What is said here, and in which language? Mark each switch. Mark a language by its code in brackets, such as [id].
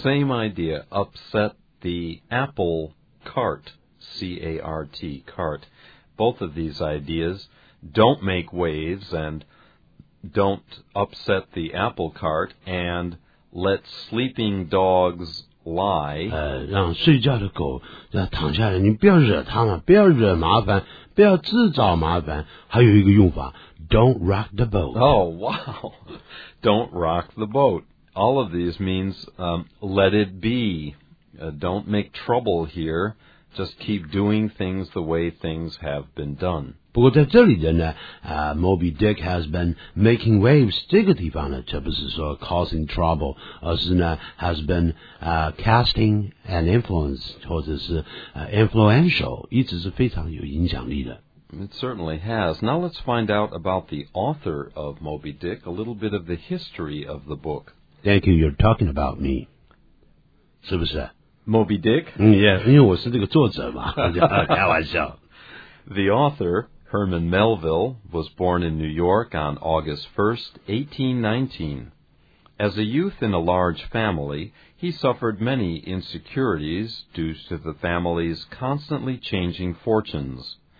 [en] Same idea, upset the apple cart, C-A-R-T, cart. Both of these ideas, don't make waves and don't upset the apple cart and let sleeping dogs lie. [zh] 让睡觉的狗躺下来，你不要惹他们，不要惹麻烦，不要制造麻烦。还有一个用法， [en] Don't rock the boat. Oh, wow. Don't rock the boat. All of these means let it be. Don't make trouble here. Just keep doing things the way things have been done. [zh] 不过在这里的呢、 [en] Moby Dick has been making waves. [zh] 这个地方呢这不是说 [en] causing trouble, [zh] 而是呢 [en] has been casting an influence, [zh] 或者是、influential, 一直是非常有影响力的。 [en] It certainly has. Now let's find out about the author of Moby Dick, a little bit of the history of the book. Thank you, you're talking about me. [zh] 是不是? [en] Moby Dick? Yeah, [zh] 因为我是这个作者嘛。开玩笑。 [en] The author, Herman Melville, was born in New York on August 1st, 1819. As a youth in a large family, he suffered many insecurities due to the family's constantly changing fortunes.